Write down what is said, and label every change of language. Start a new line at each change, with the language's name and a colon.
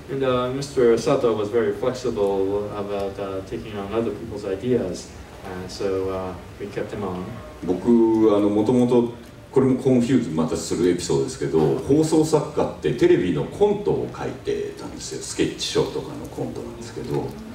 English: And Mr. Sato was very flexible about taking on other people's ideas, and so we kept him on.
Japanese: 僕もともとこれもコンフューズまたするエピソードですけど、放送作家ってテレビのコントを書いてたんですよ。スケッチショーとかのコントなんですけど。